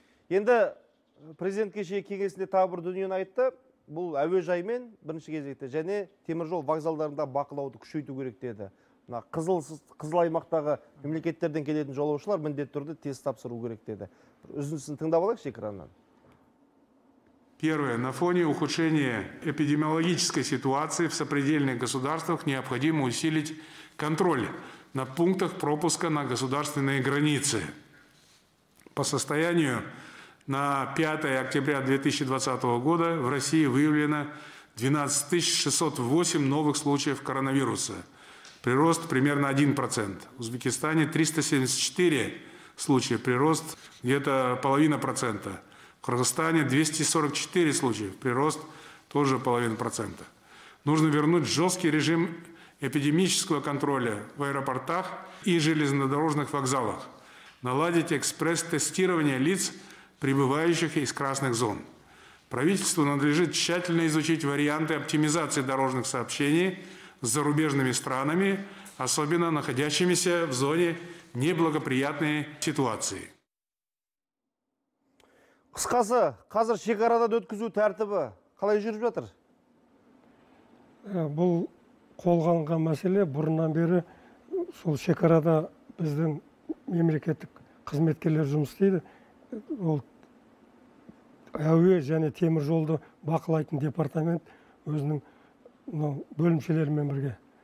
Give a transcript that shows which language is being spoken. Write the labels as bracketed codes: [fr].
[kk] Енді президент кеше кеңесінде тағы бір дүниені айтты. Бұл әуежай мен бірінші кезекте және теміржол вокзалдарында бақылауды күшейту керек деді. Мына қызыл аймақтағы мемлекеттерден келетін жолаушылар міндетті түрде тест тапсыру керек деді. Үзіндісін тыңдап алайық экраннан. [ru] Первое. На фоне ухудшения эпидемиологической ситуации в сопредельных государствах необходимо усилить контроль на пунктах пропуска на государственные границы. По состоянию на 5 октября 2020 года в России выявлено 12 608 новых случаев коронавируса. Прирост примерно 1%. В Узбекистане 374 случая, прирост где-то 0,5%. В Кыргызстане 244 случая, прирост тоже 0,5%. Нужно вернуть жесткий режим эпидемического контроля в аэропортах и железнодорожных вокзалах. Наладить экспресс-тестирование лиц, прибывающих из красных зон. Правительству надлежит тщательно изучить варианты оптимизации дорожных сообщений с зарубежными странами, особенно находящимися в зоне неблагоприятной ситуации. [kk] Қысқасы, қазір шекарадан өткізу тәртібі қалай жүріп жатыр? Бұл қолға алынған мәселе бұрыннан бері сол шекарада біздің мемлекеттік қызметкерлер жұмыс істейді. Ол әуе және темір жолды бақылайтын департамент өзінің бөлімшелерімен бірге.